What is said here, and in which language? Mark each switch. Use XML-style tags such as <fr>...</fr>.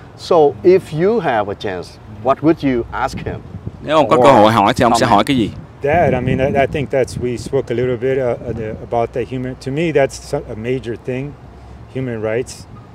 <en>So if you have a chance, what would you ask him?</en> <vi>Nếu ông có cơ hội hỏi thì ông sẽ hỏi cái gì?</vi> <en>That, I mean, I think that's, we spoke a little bit about the human, to me that's a major thing, human rights.</en>